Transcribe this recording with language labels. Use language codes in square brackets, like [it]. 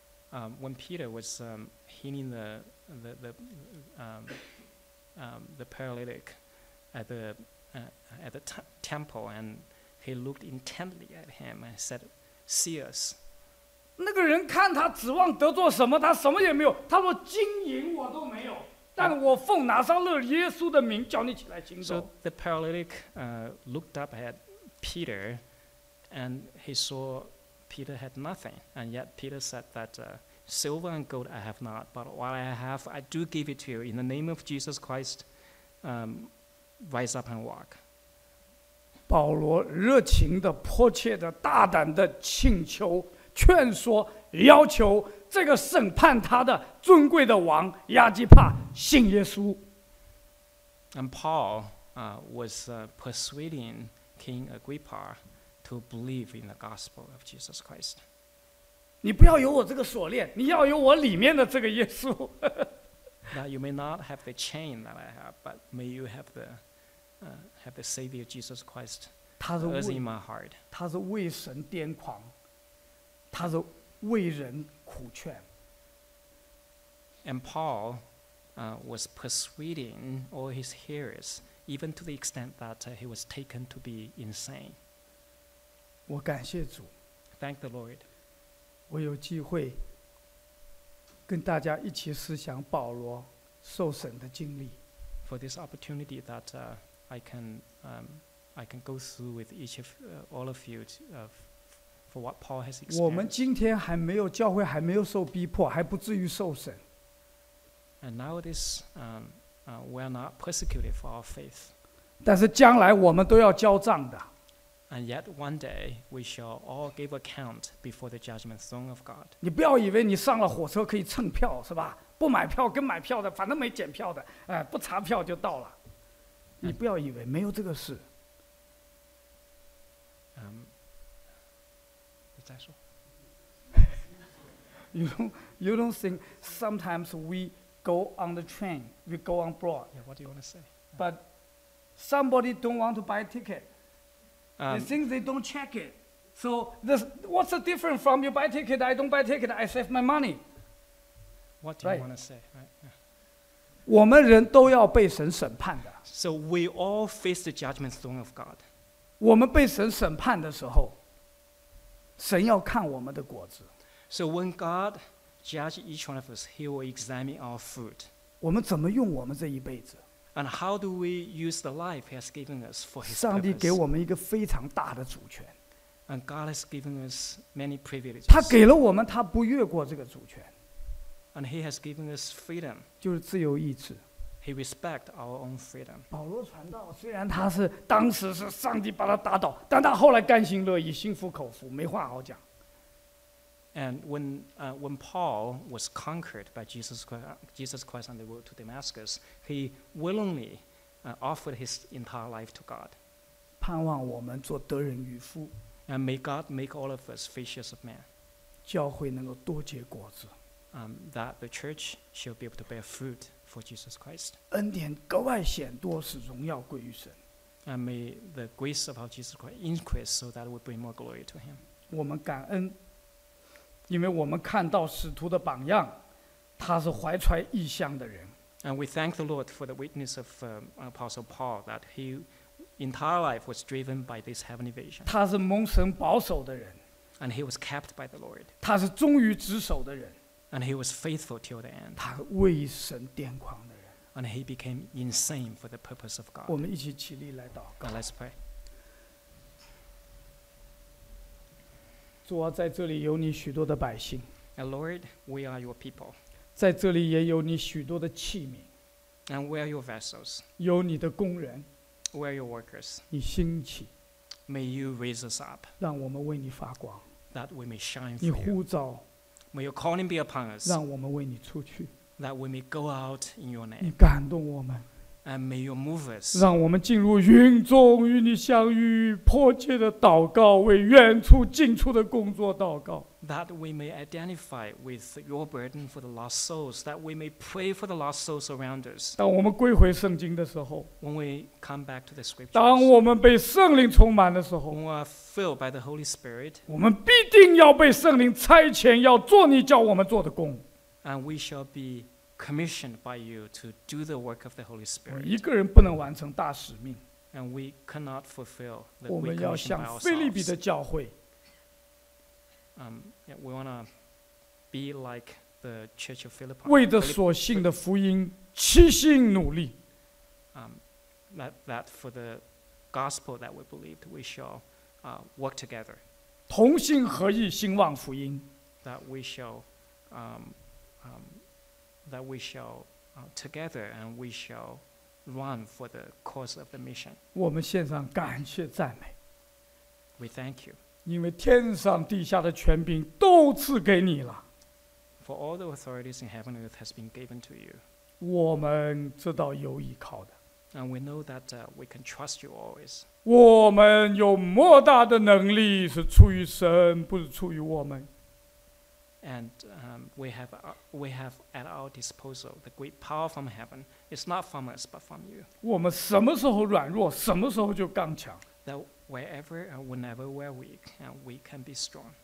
[en] When Peter was healing the paralytic at the temple, and he looked intently at him and said, "See us." [zh] 那个人看他指望得做什么，他什么也没有。他说：“金银我都没有，但我奉拿撒勒耶稣的名叫你起来行走。” [en] So the paralytic looked up at Peter, and he saw. Peter had nothing, and yet Peter said that silver and gold I have not, but what I have, I do give it to you. In the name of Jesus Christ, rise up and walk. [zh] 保罗热情的、迫切的、大胆的请求、劝说、要求这个审判他的尊贵的王亚基帕信耶稣。 [en] And Paul was persuading King Agrippa.To believe in the gospel of Jesus Christ. [zh] 你不要有我这个锁链，你要有我里面的这个耶稣。 [en] That you may not have the chain that I have, but may you have the Savior Jesus Christ. [zh] 他是为 [en] in my heart. [zh] 他是为神癫狂，他是为人苦劝。 [en] And Paul, was persuading all his hearers, even to the extent that he was taken to be insane. [zh] 我感谢主。 [en] Thank the Lord. [zh] 我有机会跟大家一起思想保罗受审的经历。 [en] For this opportunity that I can go through with each of all of you for what Paul has experienced. [zh] 我们今天还没有教会还没有受逼迫，还不至于受审。 [en] And nowadays, we are not persecuted for our faith. [zh] 但是将来我们都要交账的。 [en] And yet one day we shall all give account before the judgment throne of God. [zh] 你不要以为你上了火车可以蹭票是吧？不买票跟买票的，反正没检票的，不查票就到了。你不要以为没有这个事。你再说。 [en] You don't think sometimes we go on the train, we go on board. Yeah, what do you want to say? But somebody don't want to buy a ticket. They think they don't check it. So what's the difference from you buy ticket, I don't buy ticket, I save my money. What do you want to say? Right. [zh] 我们人都要被神审判的。 [en] So we all face the judgment throne of God. [zh] 我们被神审判的时候，神要看我们的果子。 [en] So when God judges each one of us, he will examine our fruit. [zh] 我们怎么用我们这一辈子？ [en] And how do we use the life he has given us for his purpose? [zh] 上帝给我们一个非常大的主权。 [en] And God has given us many privileges. [zh] 他给了我们，他不越过这个主权。 [en] And he has given us freedom. [zh] 就是自由意志。 [en] He respects our own freedom. [zh] 保罗传道，虽然他是当时是上帝把他打倒，但他后来甘心乐意，心服口服，没话好讲。 [en] And when Paul was conquered by Jesus Christ on the road to Damascus, he willingly offered his entire life to God. [zh] 盼望我们做得人渔夫。 [en] And may God make all of us fishers of men. [zh] 教会能够多结果子。 [en] That the church shall be able to bear fruit for Jesus Christ. [zh] 恩典格外显多，使荣耀归于神。 [en] And may the grace of our Jesus Christ increase so that we bring more glory to him. [zh] 我们感恩。因为我们看到使徒的榜样，他是怀揣异象的人。 [en] And we thank the Lord for the witness of Apostle Paul that he entire life was driven by this heavenly vision. [zh] 他是蒙神保守的人。 [en] And he was kept by the Lord. [zh] 他是忠于职守的人。 [en] And he was faithful till the end. [zh] 他为神癫狂的人。 [en] And he became insane for the purpose of God. [zh] 我们一起起立来祷告。 [en] Let's pray. [zh] 主啊，在这里有你许多的百姓。 [en] And Lord, we are your people. [zh] 在这里也有你许多的器皿。 [en] And we are your vessels. [zh] 有你的工人。 [en] We are your workers. [zh] 你兴起。 [en] May you raise us up. [zh] 让我们为你发光。 [en] That we may shine for you. [zh] 你呼召。 [en] May your calling be upon us. [zh] 让我们为你出去。 [en] That we may go out in your name. [zh] 你感动我们。 [en] And may you move us. [zh] 让我们进入云中与你相遇，迫切的祷告，为远处近处的工作祷告。 [en] That we may identify with your burden for the lost souls. That we may pray for the lost souls around us. [zh] 当我们归回圣经的时候， [en] When we come back to the scriptures. [zh] 当我们被圣灵充满的时候， [en] When we are filled by the Holy Spirit. [zh] 我们必定要被圣灵差遣，要做你叫我们做的工。 [en] And we shall be. Commissioned by you to do the work of the Holy Spirit. [zh] 一个人不能完成大使命。 [en] And we cannot fulfill the commission. [zh] 我们要向腓立比的教会。 [en] We want to be like the Church of Philippi. [zh] 为着所信的福音齐心努力。 [en] That for the gospel that we believed, we shall work together. [zh] 同心合意，兴旺福音。 [en] That we shall together and we shall run for the course of the mission. [zh] 我们献上感谢赞美。 [en] We thank you. [zh] 因为天上地下的权柄都赐给你了。 [en] For all the authorities in heaven and earth has been given to you. [zh] 我们知道有依靠的。 [en] And we know that we can trust you always. [zh] 我们有莫大的能力是出于神，不是出于我们。 [en] And we have at our disposal the great power from heaven. It's not from us, but from you. [zh] 我们什么时候软弱，什么时候就刚强。 [en] That wherever and whenever we're weak, and we can be strong.